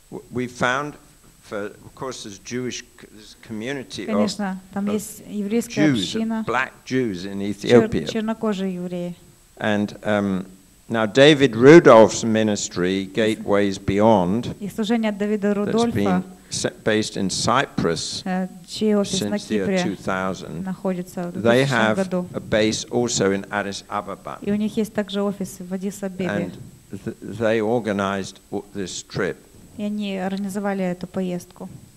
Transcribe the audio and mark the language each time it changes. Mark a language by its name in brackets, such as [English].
[English] We found, for, of course, there's Jewish community of, [Russian] конечно, там есть еврейская [English] Jews, [Russian] община. [English] Black Jews in Ethiopia. [Russian] Чернокожие евреи. [English] And now David Rudolph's ministry, Gateways Beyond, [Russian] и служение Давида Рудольфа, [English] based in Cyprus since the year 2000, they have a base also in Addis Ababa. [Russian] И у них есть также офис в Аддис-Абебе. [English] And they organized this trip. [Russian] И они организовали эту поездку.